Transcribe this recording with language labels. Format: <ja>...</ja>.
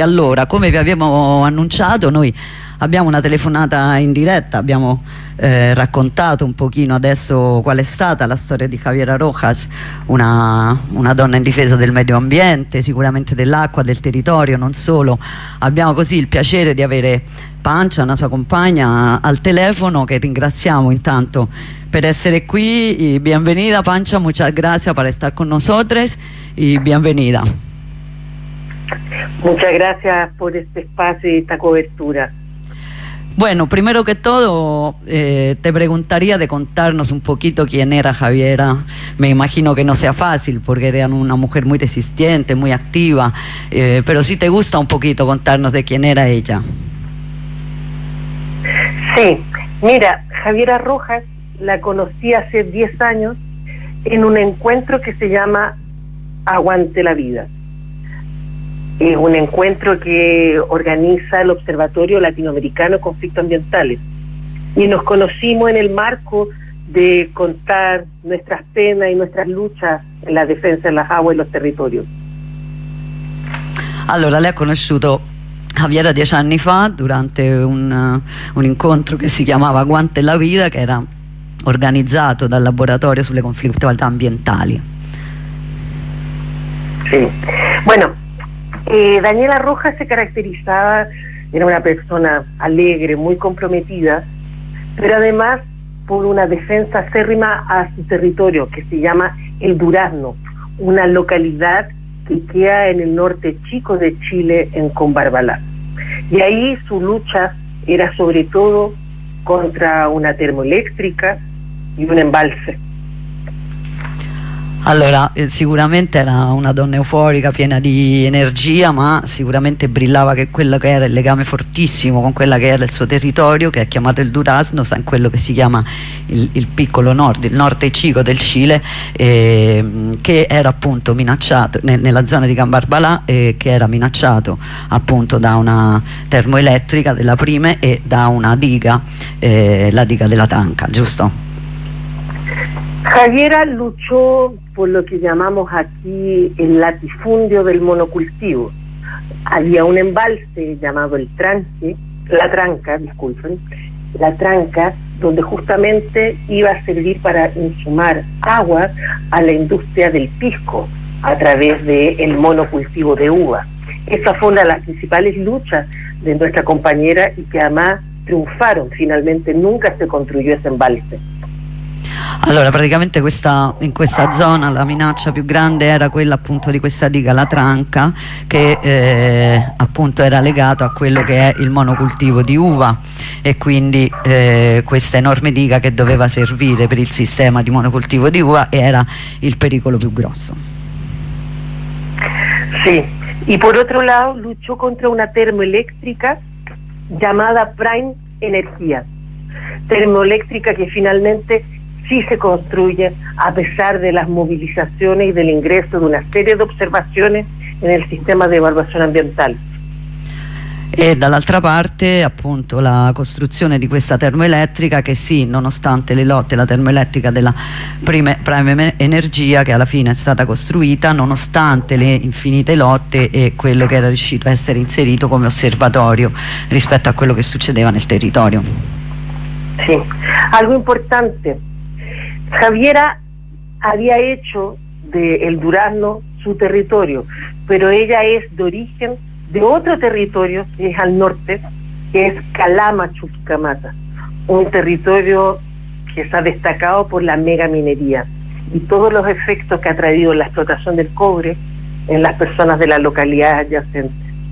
<it>Allora, come vi abbiamo annunciato, noi abbiamo una telefonata in diretta, abbiamo raccontato un pochino adesso qual è stata la storia di Javiera Rojas, una donna in difesa del medio ambiente, sicuramente dell'acqua, del territorio, non solo. Abbiamo così il piacere di avere Pancia, una sua compagna, al telefono, che ringraziamo intanto per essere qui.</it> <es>Y bienvenida, Pancha, muchas gracias por estar con nosotros y bienvenida. Muchas gracias por este espacio y esta cobertura. Bueno, primero que todo, te preguntaría de contarnos un poquito quién era Javiera. Me imagino que no sea fácil porque era una mujer muy resistente, muy activa, pero si te gusta un poquito contarnos de quién era ella. Sí, mira, Javiera Rojas la conocí hace 10 años en un encuentro que se llama Aguante la Vida. Es un encuentro que organiza el Observatorio Latinoamericano Conflictos Ambientales. Y nos conocimos en el marco de contar nuestras penas y nuestras luchas en la defensa de las aguas y los territorios.</es> <it>Allora, le ha conosciuto Javiera 10 anni fa durante un incontro che si chiamava Aguante la Vida, che era organizzato dal laboratorio sulle conflittualità ambientali.</it> <es>Sì, bueno, Daniela Rojas se caracterizzava, era una persona alegre, muy comprometida, pero además por una defensa acérrima a su territorio, que se llama El Durazno, una localidad que queda en el norte chico de Chile, en Combarbalá. Y ahí su lucha era sobre todo contra una termoeléctrica y un embalse.</es> <it>Allora, sicuramente era una donna euforica, piena di energia, ma sicuramente brillava che quello che era il legame fortissimo con quella che era il suo territorio, che è chiamato il Durazno, in quello che si chiama il piccolo nord, il norte cico del Cile, che era appunto minacciato nella zona di Cambarbalà, che era minacciato appunto da una termoelettrica della prima e da una diga, la diga della Tanca, giusto?</it> <es>Javiera luchó por lo que llamamos aquí el latifundio del monocultivo. Había un embalse llamado el tranque, la tranca, disculpen, la tranca, donde justamente iba a servir para insumar agua a la industria del pisco a través del monocultivo de uva. Esa fue una de las principales luchas de nuestra compañera y que además triunfaron. Finalmente nunca se construyó ese embalse.</es> <it>Allora, praticamente in questa zona la minaccia più grande era quella appunto di questa diga, la Tranca, che appunto era legato a quello che è il monocultivo di uva, e quindi questa enorme diga che doveva servire per il sistema di monocultivo di uva era il pericolo più grosso.</it> <es>Sì, e por otro lado luchó contra una termoeléctrica llamada Prime Energía, termoeléctrica que finalmente sí se construye a pesar de las movilizaciones y del ingreso de una serie de observaciones en el sistema de evaluación ambiental.</es> <it>E dall'altra parte appunto la costruzione di questa termoelettrica, che sì, nonostante le lotte, la termoelettrica della Prime Energia, che alla fine è stata costruita nonostante le infinite lotte e quello che era riuscito a essere inserito come osservatorio rispetto a quello che succedeva nel territorio.</it> <es>Sì, algo importante. Javiera había hecho de El Durazno su territorio, pero ella es de origen de otro territorio que es al norte, que es Calama Chuquicamata, un territorio que se ha destacado por la megaminería y todos los efectos que ha traído la explotación del cobre en las personas de la localidad adyacente.</es>